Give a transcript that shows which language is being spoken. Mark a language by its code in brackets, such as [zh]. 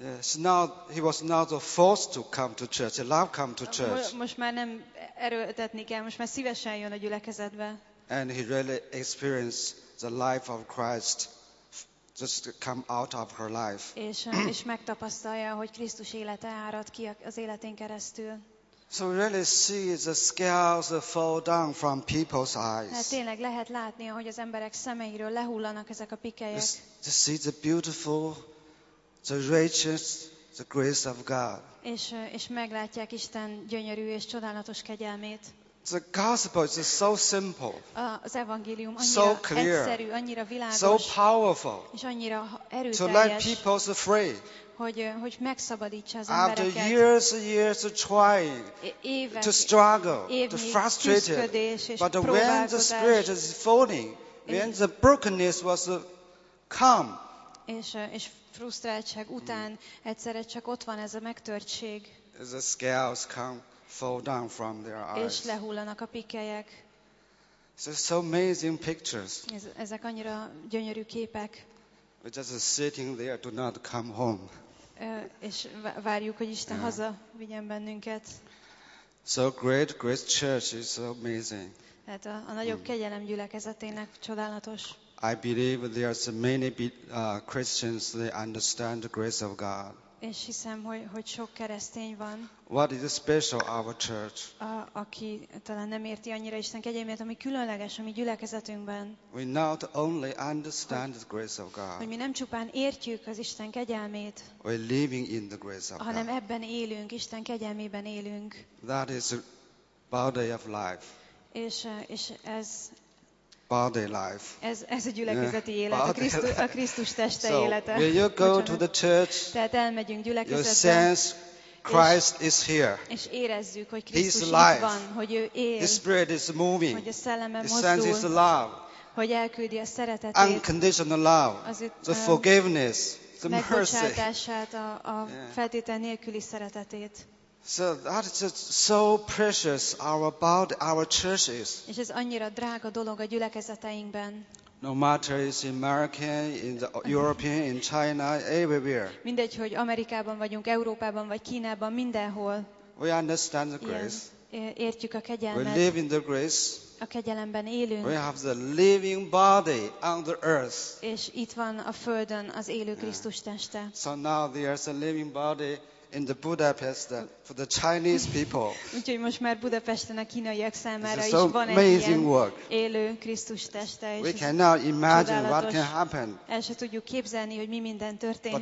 [en] Yes, now he was not forced to come to church. He loved come to church. [hu] Most már nem erőltetni kell, most már szívesen jön a gyülekezetbe. [en] And he really experienced the life of Christ just come out of her life. [hu] És megtapasztalja, hogy Krisztus élete árad ki az életén keresztül. [en] So we really see the scales fall down from people's eyes. [hu] Hát tényleg lehet látni, ahogy az emberek szemeiről lehullanak ezek a pikelyek. [en] To see the beautiful, the righteous, the grace of God. [hu] És meglátják Isten gyönyörű és csodálatos kegyelmét. [en] The gospel is so simple. [hu] Az evangélium annyira [en] so clear, [hu] egyszerű, annyira világos. [en] So powerful. [hu] És annyira erőteljes. [en] To let people free. [hu] Hogy megszabadítsa az embereket. [en] After years and years of trying, to struggle, to frustrate, but when the spirit is falling, when the brokenness was come. [hu] És frusztráltság után egyszerre csak ott van ez a megtörtség. [en] The scales come fall down from their eyes. [hu] És lehullanak a pikelyek. [en] These are so amazing pictures. [hu] Ezek annyira gyönyörű képek. [en] We're just sitting there, do not come home. [hu] És várjuk, hogy Isten haza vigyen bennünket. [en] So great grace church is so amazing. [hu] Tehát a nagyobb kegyelem gyülekezetének csodálatos. [en] I believe there are so many Christians that understand the grace of God. [hu] És hiszem, hogy sok keresztény van. [en] What is special our church? [hu] Aki talán nem érti annyira Isten kegyelmét, ami különleges a mi gyülekezetünkben. [en] We not only understand the grace of God. [hu] Hogy mi nem csupán értjük az Isten kegyelmét. [en] We living in the grace of God. [hu] Hanem ebben élünk, Isten kegyelmében élünk. [en] That is the body of life. [hu] És ez [en] body life. [hu] Ez a gyülekezeti élet, a Krisztus teste so, élete. [en] Will you go to the church? [hu] Tehát elmegyünk gyülekezetbe. [en] You sense Christ is here. [hu] És érezzük, hogy Krisztus itt van, hogy ő él. [en] His spirit is moving. [hu] Hogy a szelleme [en] his [hu] mozdul. [en] Sense his love. [hu] Hogy elküldi a szeretetét. [en] Unconditional love. The forgiveness, the mercy. [hu] Megbocsátását, a feltétel nélküli szeretetét. [en] So that is so precious our about our churches. [hu] És ez annyira drága dolog a gyülekezeteinkben. [en] No matter is in America, in the European, in China, everywhere. [hu] Mindegy, hogy Amerikában vagyunk, Európában vagy Kínában, mindenhol. [en] We understand the grace. [hu] Értjük a kegyelmet. [en] We live in the grace. [hu] A kegyelemben élünk. [en] We have the living body on the earth. [hu] És itt van a földön az élő Krisztus teste. [en] So now there is a living body in the Budapest for the Chinese people. [hu] Úgyhogy most már Budapesten a kínaiak számára so is van egy ilyen élő Krisztus teste. [en] We cannot imagine what can happen. [hu] El se tudjuk képzelni, hogy mi minden történhet.